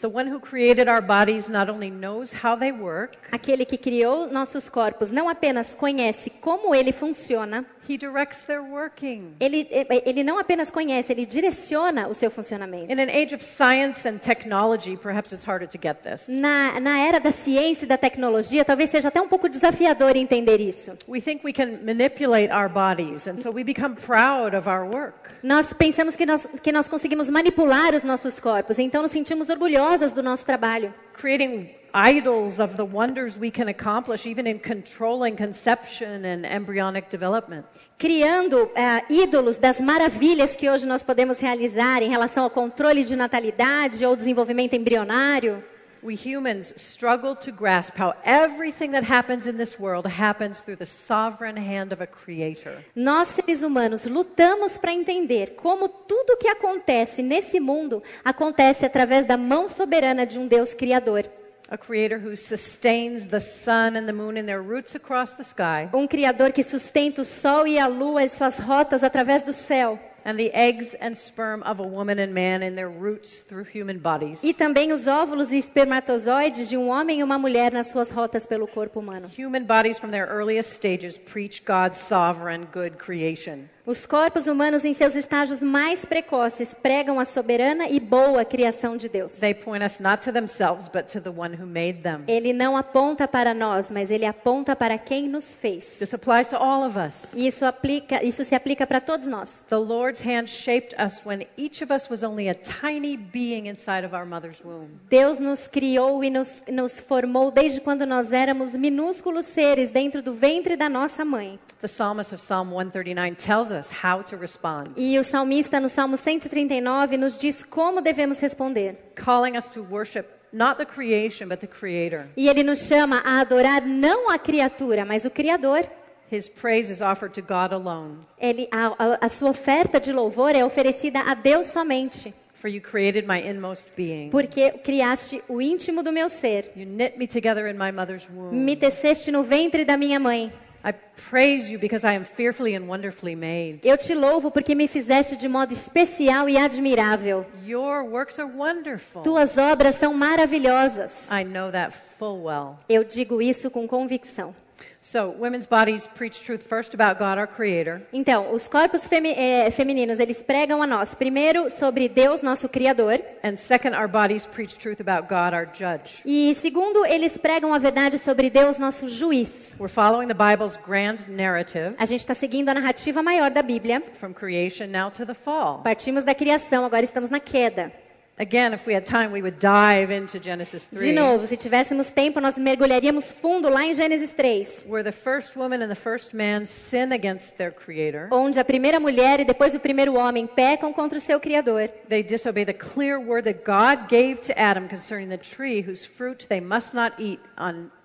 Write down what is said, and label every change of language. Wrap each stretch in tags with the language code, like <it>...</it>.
<en>The one who created our bodies not only knows how they work.</en> <pt>Aquele que criou nossos corpos não apenas conhece como ele funciona.</pt> <en>He directs their working.</en> <pt>Ele não apenas conhece, ele direciona o seu funcionamento.</pt> <en>In an age of science and technology, perhaps it's harder to get this.</en> <pt>Na era da ciência e da tecnologia, talvez seja até um pouco desafiador entender isso.</pt> <en>We think we can manipulate our bodies, and so we become proud of our work.</en> <pt>Nós pensamos que nós conseguimos manipular os nossos corpos, então nos sentimos orgulhosas do nosso trabalho.</pt> <en>Creating idols of the wonders we can accomplish even in controlling conception and embryonic development.</en> <pt>Criando ídolos das maravilhas que hoje nós podemos realizar em relação ao controle de natalidade ou desenvolvimento embrionário.</pt> <en>We humans struggle to grasp how everything that happens in this world happens through the sovereign hand of a creator.</en> <pt>Nós seres humanos lutamos para entender como tudo o que acontece nesse mundo acontece através da mão soberana de um Deus criador.</pt> <en>A creator who sustains the sun and the moon in their roots across the sky.</en> <pt>Um criador que sustenta o sol e a lua em suas rotas através do céu.</pt> <en>And the eggs and sperm of a woman and man in their roots through human bodies.</en> <pt>E também os óvulos e espermatozoides de um homem e uma mulher nas suas rotas pelo corpo humano.</pt> <en>Human bodies from their earliest stages preach God's sovereign good creation.</en> <pt>Os corpos humanos em seus estágios mais precoces pregam a soberana e boa criação de Deus.</pt> <en>They point us not to themselves, but to the one who made them.</en> <pt>Ele não aponta para nós, mas ele aponta para quem nos fez.</pt> <en>This applies to all of us.</en> <pt>Isso se aplica para todos nós.</pt> <en>The Lord's hand shaped us when each of us was only a tiny being inside of our mother's womb.</en> <pt>Deus nos criou e nos formou desde quando nós éramos minúsculos seres dentro do ventre da nossa mãe.</pt> <en>The psalmist of Psalm 139 tells us how to respond.</en> <pt>E o salmista no Salmo 139 nos diz como devemos responder.</pt> <en>Calling us to worship not the creation but the creator.</en> <pt>E ele nos chama a adorar não a criatura, mas o criador.</pt> <en>His praise is offered to God alone.</en> <pt>A sua oferta de louvor é oferecida a Deus somente.</pt> <en>For you created my inmost being.</en> <pt>Porque criaste o íntimo do meu ser.</pt> <en>You knit me together in my mother's womb.</en> <pt>Me teceste no ventre da minha mãe.</pt> <en>I praise you because I am fearfully and wonderfully made.</en> <pt>Eu te louvo porque me fizeste de modo especial e admirável.</pt> <en>Your works are wonderful.</en> <pt>Tuas obras são maravilhosas.</pt> <en>I know that full well.</en> <pt>Eu digo isso com convicção.</pt> <en>So, women's bodies preach truth first about God, our creator.</en> <pt>Então, os corpos femininos, eles pregam a nós primeiro sobre Deus, nosso criador.</pt> <en>And second, our bodies preach truth about God, our judge.</en> <pt>E segundo, eles pregam a verdade sobre Deus, nosso juiz.</pt> <en>We're following the Bible's grand narrative.</en> <pt>A gente está seguindo a narrativa maior da Bíblia.</pt> <en>From creation now to the fall.</en> <pt>Partimos da criação, agora estamos na queda.</pt> <en>Again, if we had time, we would dive into Genesis 3.</en> <pt>De novo, se tivéssemos tempo, nós mergulharíamos fundo lá em Gênesis 3.</pt> <en>Where the first woman and the first man sin against their creator.</en> <pt>Onde a primeira mulher e depois o primeiro homem pecam contra o seu criador.</pt> <en>They disobey the clear word that God gave to Adam concerning the tree whose fruit they must not eat on</en>